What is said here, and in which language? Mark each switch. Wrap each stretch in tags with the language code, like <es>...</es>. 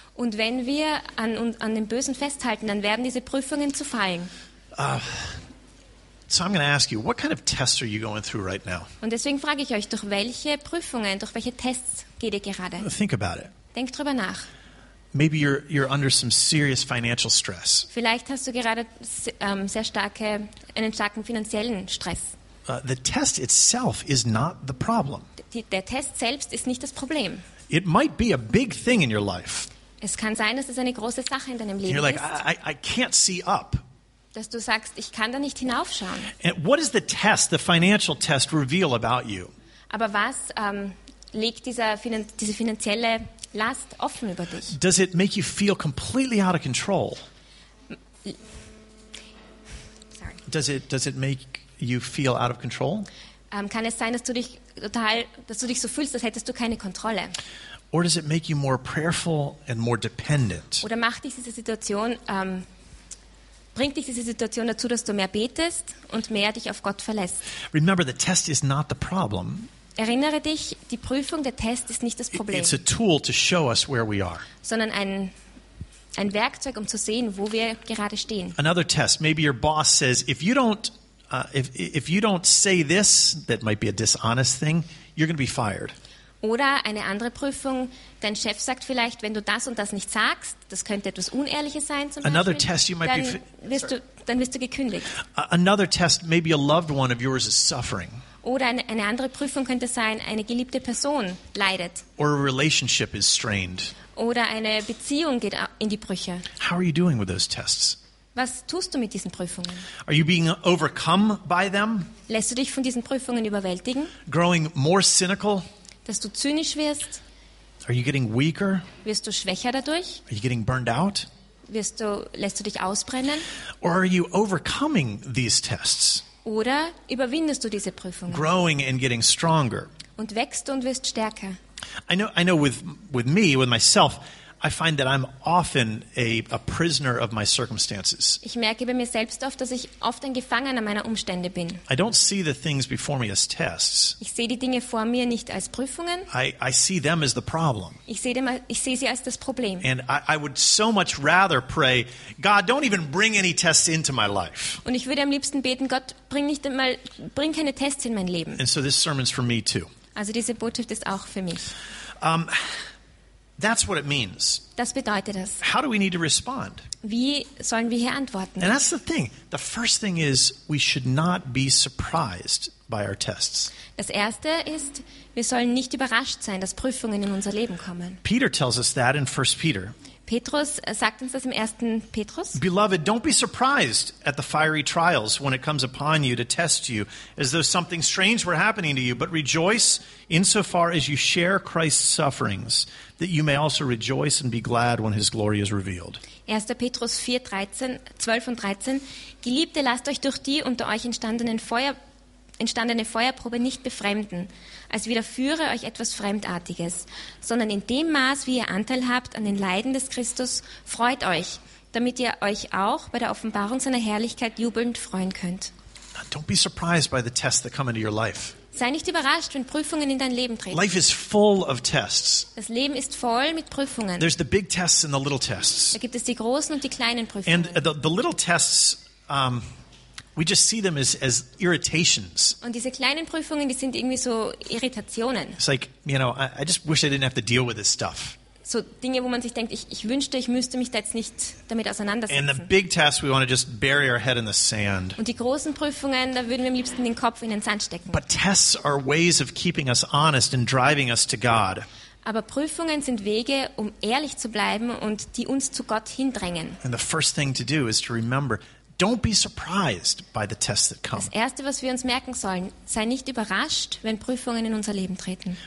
<de>Und wenn wir an dem Bösen festhalten, dann werden diese Prüfungen zu Fallen.</de> <en>So I'm going to ask you, what kind of tests are you going through right now?</en> <de>Und deswegen frage ich euch, durch welche Prüfungen, durch welche Tests geht ihr gerade?</de> <en>Think about it.</en> <de>Denk drüber nach.</de> <en>Maybe you're under some serious financial stress.</en> <de>Vielleicht hast du gerade einen starken finanziellen Stress.</de> <en>The test itself is not the problem.</en> <de>Der Test selbst ist nicht das Problem.</de> <en>It might be a big thing in your life.</en> <de>Es kann sein, dass es eine große Sache in deinem Leben ist.</de> <en>You're like,</en> <de>ist,</de> <en>I can't see up.</en> <de>Dass du sagst, ich kann da nicht hinaufschauen.</de> <en>And what does the test, the financial test, reveal about you?</en> <de>Aber was legt diese finanzielle Last offen über dich?</de> <en>Does it make you feel completely out of control? Does it make you feel out of control?</en> <de>Kann es sein, dass du dich so fühlst, als hättest du keine Kontrolle?</de> <en>Or does it make you more prayerful and more dependent?</en> <de>Oder macht dich diese Situation bringt dich diese Situation dazu, dass du mehr betest und mehr dich auf Gott verlässt?</de> <en>Remember, the test is not the problem.</en> <de>Erinnere dich, die Prüfung, der Test ist nicht das Problem.</de> <en>It's a tool to show us where we are.</en> <de>Sondern ein Werkzeug, um zu sehen, wo wir gerade stehen.</de> <en>Another test, maybe your boss says, if you don't say this, that might be a dishonest thing, you're going to be fired.</en> <de>Oder eine andere Prüfung, dein Chef sagt vielleicht, wenn du das und das nicht sagst, das könnte etwas Unehrliches sein zum</de> <en>Another</en> <de>Beispiel,</de> <en>test you might</en> <de>dann,</de> <en>be</en> <de>dann wirst du gekündigt.</de> <en>Another test, maybe a loved one of yours is suffering.</en> <de>Oder eine andere Prüfung könnte sein, eine geliebte Person leidet.</de> <en>Or a relationship is strained.</en> <de>Oder eine Beziehung geht in die Brüche.</de> <en>How are you doing with those tests?</en> <de>Was tust du mit diesen Prüfungen?</de> <en>Are you being overcome by them?</en> <de>Lässt du dich von diesen Prüfungen überwältigen?</de> <en>Growing more cynical?</en> <de>Dass du zynisch wirst?</de> <en>Are you getting weaker?</en> <de>Wirst du schwächer dadurch?</de> <en>Are you getting burned out?</en> <de>Lässt du dich ausbrennen?</de> <en>Or are you overcoming these tests?</en> <de>Oder überwindest du diese Prüfungen?</de> <en>Growing and getting stronger.</en> <de>Und wächst und wirst stärker.</de> <en>I know with me, with myself, I find that I'm often a prisoner of my circumstances.</en> <de>Ich merke bei mir selbst oft, dass ich oft ein Gefangener meiner Umstände bin.</de> <en>I don't see the things before me as tests.</en> <de>Ich sehe die Dinge vor mir nicht als Prüfungen.</de> <en>I see them as the problem.</en> <de>Ich sehe sie als das Problem.</de> <en>And I would so much rather pray, God, don't even bring any tests into my life.</en> <de>Und ich würde am liebsten beten, Gott, bring keine Tests in mein Leben.</de> <en>And so this sermon's for me too.</en> <de>Also diese Botschaft ist auch für mich.</de> <en>That's what it means.</en> <de>Das bedeutet das.</de> <en>How do we need to respond?</en> <de>Wie sollen wir hier antworten?</de> <en>And that's the thing. The first thing is we should not be surprised by our tests.</en> <de>Das erste ist, wir sollen nicht überrascht sein, dass Prüfungen in unser Leben kommen.</de> <en>Peter tells us that in 1 Peter.</en> <de>Petrus sagt uns das im 1. Petrus.</de> <en>Beloved, don't be surprised at the fiery trials when it comes upon you to test you, as though something strange were happening to you, but rejoice insofar as you share Christ's sufferings, that you may also rejoice and be glad when his glory is revealed.</en> <de>1. Petrus 4, 13, 12 und 13. Geliebte, lasst euch durch die unter euch entstandene Feuerprobe nicht befremden, als widerführe euch etwas Fremdartiges, sondern in dem Maß, wie ihr Anteil habt an den Leiden des Christus, freut euch, damit ihr euch auch bei der Offenbarung seiner Herrlichkeit jubelnd freuen könnt.</de> <en>Don't be surprised by the tests that come into your life.</en> <de>Sei nicht überrascht, wenn Prüfungen in dein Leben treten.</de> <en>Life is full of tests.</en> <de>Das Leben ist voll mit Prüfungen.</de> <en>There's the big tests and the little tests.</en> <de>Da gibt es die großen und die kleinen Prüfungen.</de> <en>And the little tests, we just see them as irritations.</en> <de>Und diese kleinen Prüfungen, die sind irgendwie so Irritationen.</de> <en>It's like, you know, I just wish I didn't have to deal with this stuff.</en> <de>So Dinge, wo man sich denkt, ich wünschte, ich müsste mich da jetzt nicht damit auseinandersetzen.</de> <en>And the big tests, we want to just bury our head in the sand.</en> <de>Und die großen Prüfungen, da würden wir am liebsten den Kopf in den Sand stecken.</de> <en>But tests are ways of keeping us honest and driving us to God.</en> <de>Aber Prüfungen sind Wege, um ehrlich zu bleiben und die uns zu Gott hindrängen.</de> <en>And the first thing to do is to remember, don't be surprised by the tests that come.</en> <de>Das erste, was wir uns merken sollen, sei nicht überrascht, wenn Prüfungen in unser Leben treten.</de>